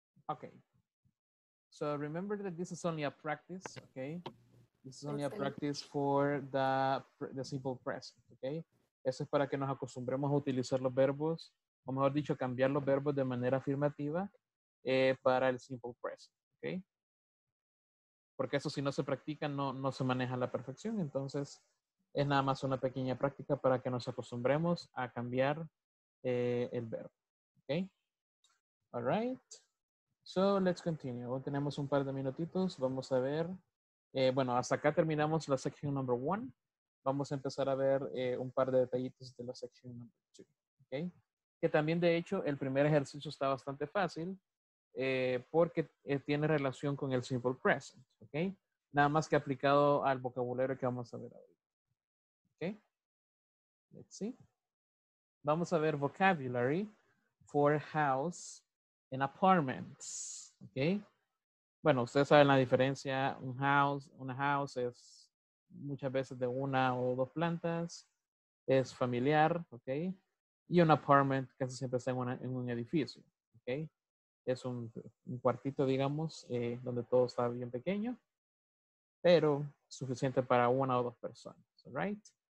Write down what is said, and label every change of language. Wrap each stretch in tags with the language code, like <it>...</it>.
<en>Okay. So remember that this is only a practice, okay? This is only a practice for the simple present, okay?</en> <es>Eso es para que nos acostumbremos a utilizar los verbos, o mejor dicho, cambiar los verbos de manera afirmativa para el simple present, okay? Porque eso si no se practica, no se maneja a la perfección. Entonces, es nada más una pequeña práctica para que nos acostumbremos a cambiar el verbo, okay?</es> <en>All right. So, let's continue.</en> <es>Tenemos un par de minutitos. Vamos a ver. Bueno, hasta acá terminamos la section number one. Vamos a empezar a ver un par de detallitos de la section number two. Okay? Que también, de hecho, el primer ejercicio está bastante fácil porque tiene relación con el simple present. Okay? Nada más que aplicado al vocabulario que vamos a ver ahora.</es> <en>Okay? Let's see.</en> <es>Vamos a ver vocabulary for house and apartments.</es> <en>Okay?</en> <es>Bueno, ustedes saben la diferencia, una house es muchas veces de una o dos plantas, es familiar, ¿ok? Y un apartment casi siempre está en un edificio, ¿ok? Es un cuartito, digamos, donde todo está bien pequeño, pero suficiente para una o dos personas, ¿right?</es>